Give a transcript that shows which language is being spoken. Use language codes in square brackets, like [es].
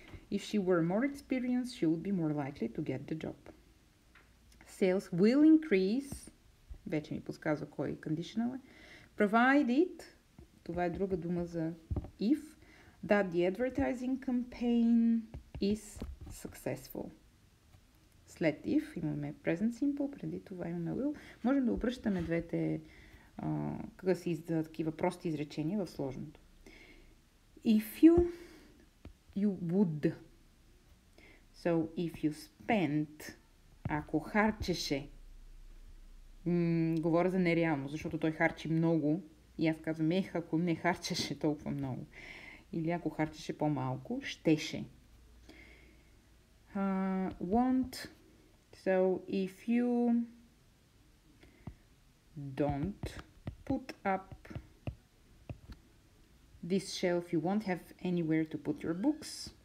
[en] If she were more experienced, she would be more likely to get the job. Sales will increase. [bg] Вече ми подсказва кой conditional е. [en] Provided, [bg] това е друга дума за [en] if, that the advertising campaign is successful. [bg] След if имаме present simple, преди това имаме will. Можем да обръщаме двете къси за такива прости изречения в сложното. [en] If you, you would. So, if you spent, [bg] ако харчеше, говоря за нереално, защото той харчи много, и аз казвам, ех, ако не харчеше толкова много, или ако харчеше по-малко, щеше. [en] Want, so if you don't put up this shelf, you won't have anywhere to put your books.